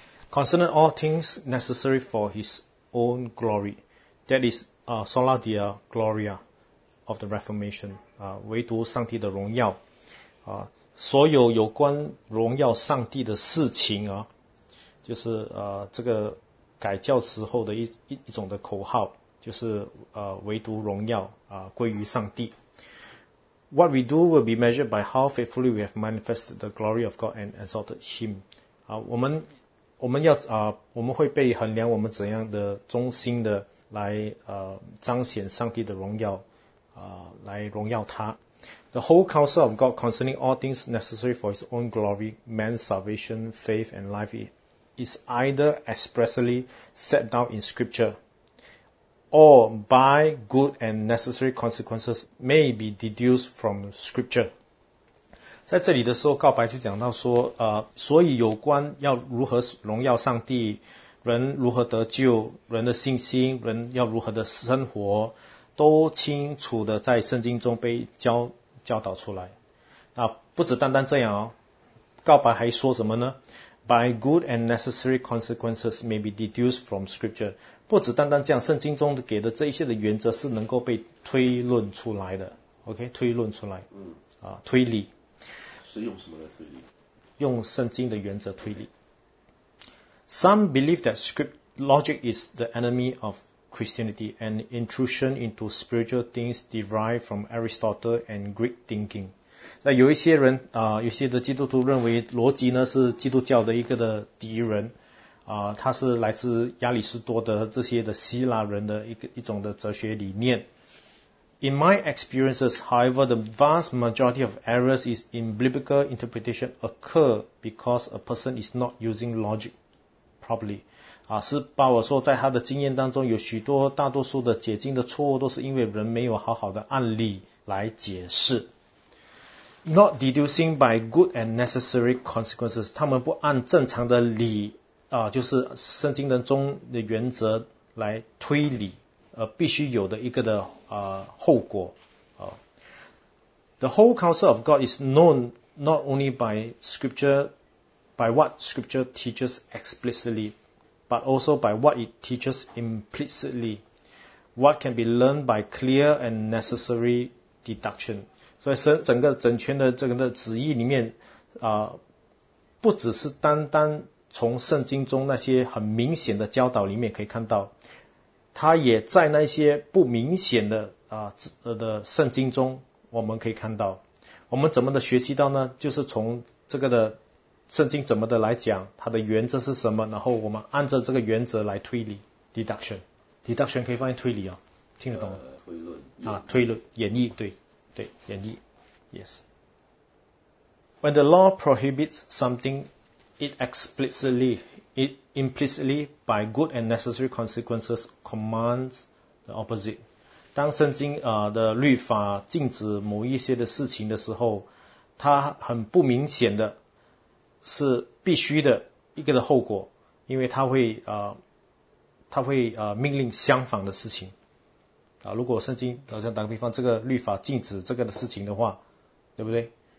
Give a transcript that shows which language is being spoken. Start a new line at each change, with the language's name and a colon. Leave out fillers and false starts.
English: Concerning all things necessary for his own glory, that is, sola dea gloria of the Reformation,
Chinese: 唯独上帝的荣耀啊，所有有关荣耀上帝的事情啊。就是这个改教时候的一种的口号，就是唯独荣耀归于上帝。
English: What we do will be measured by how faithfully we have manifested the glory of God and exalted Him。
Chinese: 我们会被衡量我们怎样的忠心的来彰显上帝的荣耀来荣耀他。
English: The whole counsel of God concerning all things necessary for His own glory, man's salvation, faith and life is either expressly set down in scripture, or by good and necessary consequences may be deduced from scripture.
Chinese: 在这里的时候告白就讲到说所以有关要如何荣耀上帝，人如何得救，人的信心，人要如何的生活，都清楚的在圣经中被教导出来。那不只单单这样告白还说什么呢？
English: By good and necessary consequences may be deduced from scripture.
Chinese: 不只单单这样，圣经中给的这一些的原则是能够被推论出来的。 OK， 推论出来。推理。是用什么来推理？用圣经的原则推理。
English: Some believe that script logic is the enemy of Christianity and intrusion into spiritual things derived from Aristotle and Greek thinking.
Chinese: 那有一些人有些的基督徒认为逻辑呢是基督教的一个的敌人他是来自亚里士多的这些的希腊人的一种的哲学理念。
English: In my experiences, however, the vast majority of errors is in biblical interpretation occur because a person is not using logic properly.
Chinese: 是把我说在他的经验当中有许多大多数的解经的错误都是因为人没有好好的案例来解释。
English: Not deducing by good and necessary consequences，
Chinese: 他们不按正常的理就是圣经的中的原则来推理，必须有的一个的后果。
English: The whole counsel of God is known not only by scripture, by what scripture teaches explicitly, but also by what it teaches implicitly, what can be learned by clear and necessary deduction.
Chinese: 所以整个整全的这个旨意里面，不只是单单从圣经中那些很明显的教导里面可以看到，它也在那些不明显的的圣经中我们可以看到。我们怎么的学习到呢？就是从这个的圣经怎么的来讲，它的原则是什么，然后我们按照这个原则来推理 deduction。 deduction 可以放在推理哦，听得懂吗？推论演绎，对演绎 yes。
English: When the law prohibits somethingIt explicitly, it implicitly, by good and necessary consequences, commands the opposite.
Chinese: 当圣经的律法禁止某一些的事情的时候，它很不明显的是必须的一个的后果，因为它会命令相反的事情。如果圣经好像打个比方，这个律法禁止这个的事情的话，对不对？